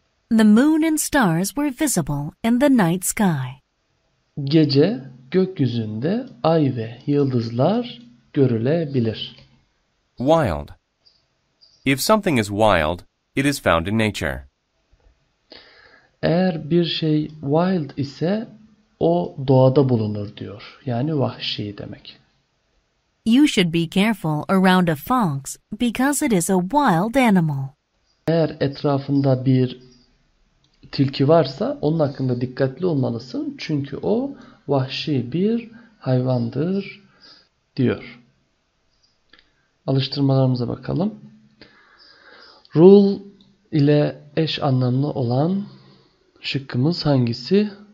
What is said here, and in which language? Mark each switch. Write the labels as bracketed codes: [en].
[en] The moon and stars were visible in the night sky. [tr] Gece gökyüzünde ay ve yıldızlar görülebilir. [en] Wild. If something is wild, it is found in nature. [tr] Eğer bir şey wild ise o doğada bulunur diyor. Yani vahşi demek. [en] You should be careful around a fox because it is a wild animal. [tr] Eğer etrafında bir tilki varsa onun hakkında dikkatli olmalısın. Çünkü o vahşi bir hayvandır diyor. Alıştırmalarımıza bakalım. Rule ile eş anlamlı olan şıkkımız hangisi?